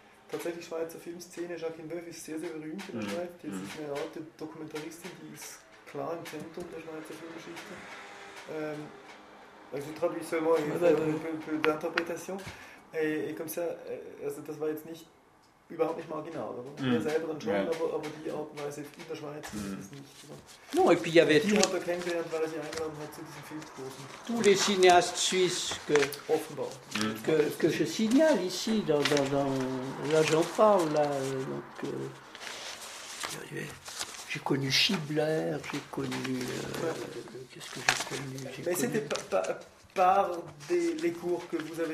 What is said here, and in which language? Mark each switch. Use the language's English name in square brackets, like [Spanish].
[German] Tatsächlich Schweizer Filmszene, Jacqueline Veuve ist sehr, sehr berühmt in der Schweiz. Die ist eine alte Dokumentaristin, die ist klar im Zentrum der Schweizer Filmgeschichte. [French] Also traduit seulement un peu d'interprétation. Et comme ça, [German] also das war jetzt nicht, überhaupt nicht marginal. Oder? Mm. Er selber dann schon, aber die Art und Weise in der Schweiz ist es nicht. Oder? [French] Non, et puis il y avait [German] die hat er kennengelernt, weil er sie eingeladen hat zu diesen Filmkursen. [French] Tous les cinéastes suisses que... [German] Offenbar. [French] Que je signale ici, dans là j'en parle, là, donc, j'ai connu Schibler, j'ai connu, qu'est-ce que j'ai connu j'ai mais connu... c'était par les cours que vous avez